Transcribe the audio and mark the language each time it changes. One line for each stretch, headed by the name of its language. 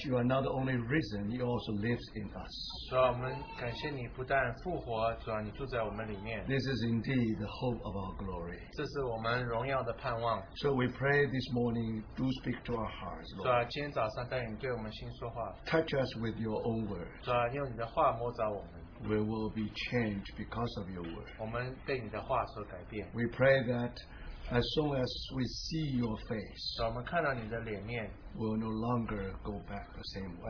English: You are not the only risen, you also lives in us.
Chinese: 主啊,我们感谢你不但复活, 主啊,你住在我们里面。
English: This is indeed the hope of our glory.
Chinese: 这是我们荣耀的盼望。
English: So we pray this morning, do speak to our hearts, Lord.
Chinese: 主啊,今天早上带你对我们心说话。
English: Touch us with your own word.
Chinese: 主啊,用你的话摸着我们。
English: We will be changed because of your word.
Chinese: 我们被你的话所改变。
English: We pray that as soon as we see your face,
Chinese: 我们看到你的脸面,
English: we'll no longer go back the same way.